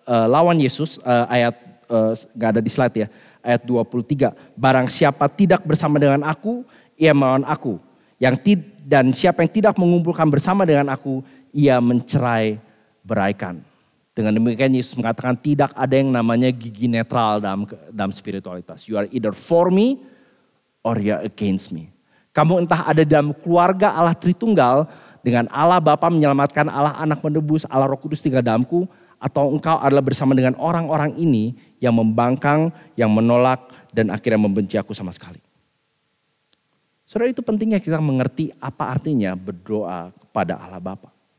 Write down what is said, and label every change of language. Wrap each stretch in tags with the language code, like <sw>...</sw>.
<id>lawan Yesus, ayat gak ada di slide ya, ayat 23, barang siapa tidak bersama dengan aku, ia melawan aku, dan siapa yang tidak mengumpulkan bersama dengan aku, ia mencerai beraikan. Dengan demikian Yesus mengatakan tidak ada yang namanya gigi netral dalam spiritualitas.</id> <en>You are either for me or you are against me.</en> <id>Kamu entah ada dalam keluarga Allah Tritunggal dengan Allah Bapa menyelamatkan, Allah Anak menebus, Allah Roh Kudus tinggal dalamku, atau engkau adalah bersama dengan orang-orang ini yang membangkang, yang menolak, dan akhirnya membenci aku sama sekali. Saudara, itu pentingnya kita mengerti apa artinya berdoa kepada Allah Bapa.</id>